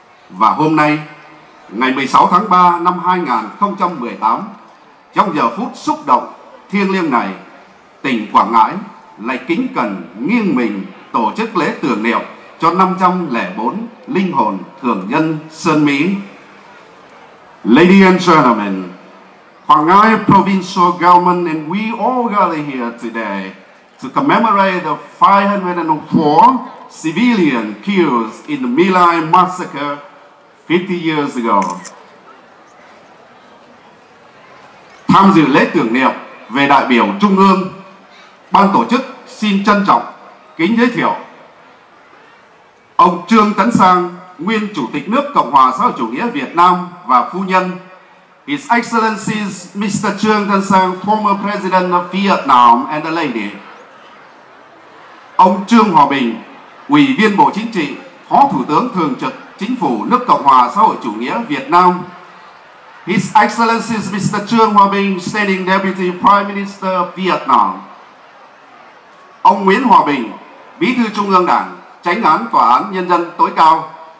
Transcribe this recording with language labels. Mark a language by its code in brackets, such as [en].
[vi] Và hôm nay, ngày 16 tháng 3 năm 2018, trong giờ phút xúc động thiêng liêng này, tỉnh Quảng Ngãi lại kính cẩn nghiêng mình tổ chức lễ tưởng niệm cho 504 linh hồn thường dân Sơn Mỹ. [en] Ladies and gentlemen, Quảng Ngãi provincial government and we all gather here today to commemorate the 504 civilian killed in the My Lai massacre 50 years ago. [vi] Tham dự lễ tưởng niệm về đại biểu trung ương, ban tổ chức xin trân trọng kính giới thiệu ông Trương Tấn Sang, nguyên chủ tịch nước Cộng hòa xã hội chủ nghĩa Việt Nam và phu nhân. [en] His Excellency Mr. Trương Tấn Sang, former president of Vietnam and the lady. [vi] Ông Trương Hòa Bình, ủy viên Bộ Chính trị, phó thủ tướng thường trực chính phủ nước Cộng hòa xã hội chủ nghĩa Việt Nam. [en] His Excellency Mr. Trương Hòa Bình, Standing Deputy Prime Minister of Vietnam. [vi] Ông Nguyễn Hòa Bình, Bí thư Trung ương Đảng, Chánh án Tòa án Nhân dân Tối cao.